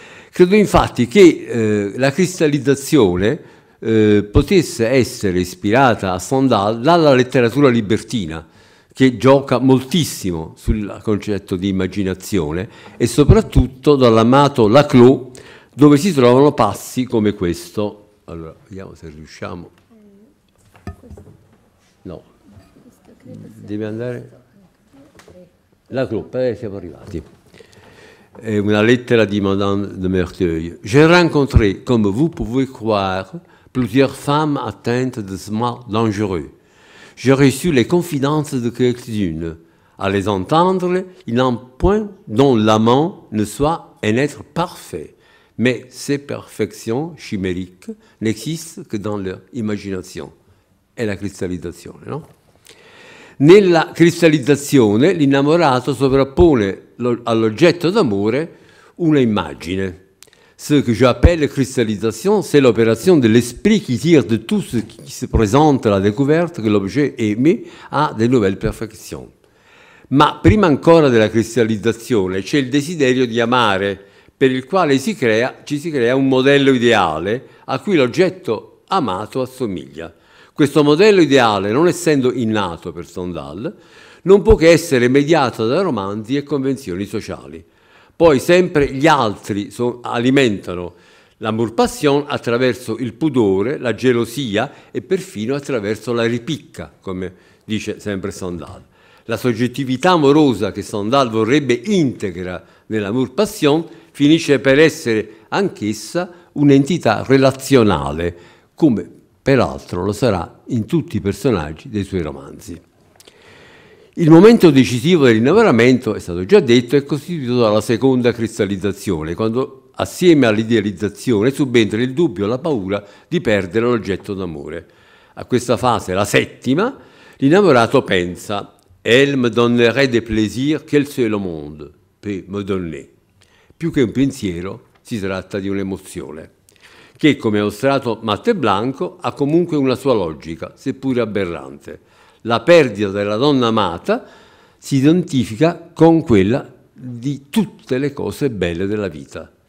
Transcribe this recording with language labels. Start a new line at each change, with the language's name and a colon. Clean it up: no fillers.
Italian: Credo infatti che la cristallizzazione potesse essere ispirata a Stendhal dalla letteratura libertina, che gioca moltissimo sul concetto di immaginazione, e soprattutto dall'amato Laclos, dove si trovano passi come questo. Allora, vediamo se riusciamo. No, devi andare. Laclos, siamo arrivati. È una lettera di Madame de Merteuil.
French: J'ai rencontré, comme vous pouvez croire, plusieurs femmes atteintes de ce mal dangereux. J'ai reçu les confidences de quelques-unes. À les entendre, il n'en point dont l'amant ne soit un être parfait. Mais ces perfections chimériques n'existent que dans leur imagination. Et la cristallisation, non?
Italian: Nella cristallizzazione l'innamorato sovrappone all'oggetto d'amore una immagine.
French: Ce que j'appelle cristallisation, c'est l'opération de l'esprit qui tire de tout ce qui se présente la découverte que l'objet aimé a de nouvelles perfections.
Italian: Ma prima ancora della cristallizzazione c'è il desiderio di amare, per il quale ci si crea un modello ideale a cui l'oggetto amato assomiglia. Questo modello ideale, non essendo innato per Stendhal, non può che essere mediato da romanzi e convenzioni sociali. Poi sempre gli altri alimentano l'amour passion attraverso il pudore, la gelosia e perfino attraverso la ripicca, come dice sempre Stendhal. La soggettività amorosa che Stendhal vorrebbe integra nell'amour passion finisce per essere anch'essa un'entità relazionale, come peraltro lo sarà in tutti i personaggi dei suoi romanzi. Il momento decisivo dell'innamoramento, è stato già detto, è costituito dalla seconda cristallizzazione, quando assieme all'idealizzazione subentra il dubbio e la paura di perdere l'oggetto d'amore. A questa fase, la settima, l'innamorato pensa:
French: «Elle me donnerait des plaisirs qu'il seul au monde peut me donner».
Italian: Più che un pensiero, si tratta di un'emozione, che, come ha mostrato Matte Blanco, ha comunque una sua logica, seppure aberrante. La perdita della donna amata si identifica con quella di tutte le cose belle della vita.